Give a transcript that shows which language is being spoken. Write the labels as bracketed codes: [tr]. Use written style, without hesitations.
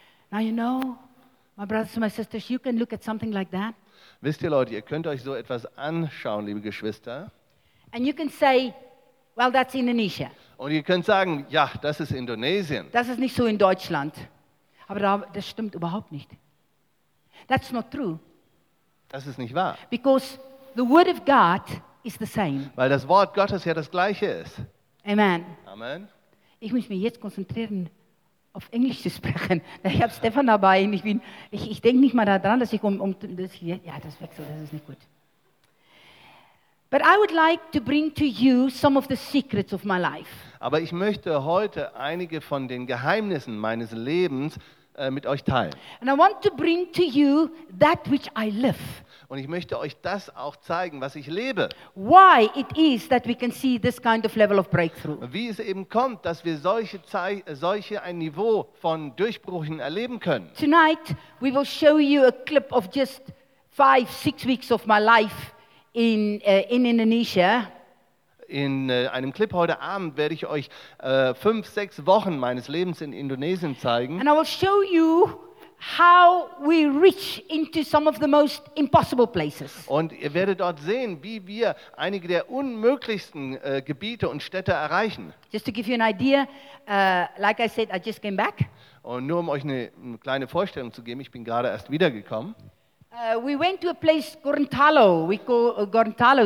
[en] Now you know, my brothers and my sisters, you can look at something like that. [de] Wisst ihr Leute, ihr könnt euch so etwas anschauen, liebe Geschwister. [en] And you can say, well, that's Indonesia. [de] Und ihr könnt sagen, ja, das ist Indonesien. Das ist nicht so in Deutschland. Aber das stimmt überhaupt nicht. [en] That's not true. [de] Das ist nicht wahr. [en] Because the word of God is the same. [de] Weil das Wort Gottes ja das gleiche ist. [en] Amen. Amen. [de] Ich muss mich jetzt konzentrieren, auf Englisch zu sprechen. Ich habe Stefan dabei und ich denke nicht mal daran, dass ich dass ich, ja, das wechsle, das ist nicht gut. [en] But I would like to bring to you some of the secrets of my life. [de] Aber ich möchte heute einige von den Geheimnissen meines Lebens mit euch teilen. [en] And I want to bring to you that which I live. [de] Und ich möchte euch das auch zeigen, was ich lebe. [en] Why it is that we can see this kind of level of breakthrough. [de] Wie es eben kommt, dass wir solche ein Niveau von Durchbrüchen erleben können. [en] Tonight we will show you a clip of just 5-6 weeks of my life in Indonesia. [de] In einem Clip heute Abend werde ich euch 5-6 Wochen meines Lebens in Indonesien zeigen. [en] And I will show you how we reach into some of the most impossible places. [de] Und ihr werdet dort sehen, wie wir einige der unmöglichsten Gebiete und Städte erreichen. [en] Just to give you an idea, like I said, I just came back. [de] Und nur um euch eine kleine Vorstellung zu geben, ich bin gerade erst wiedergekommen. [en] We went to a place Gorontalo. We call Gorontalo.